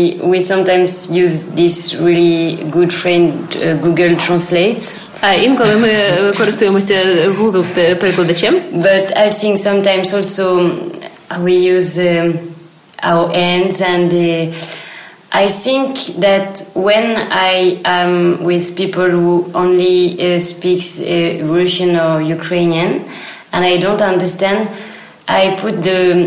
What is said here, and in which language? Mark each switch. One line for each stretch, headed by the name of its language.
English: We sometimes use this really good friend Google Translate.
Ukrainian: А інколи ми користуємося Google перекладачем.
English: But I think sometimes also we use our hands and I think that when I am with people who only speak Russian or Ukrainian and I don't understand, I put the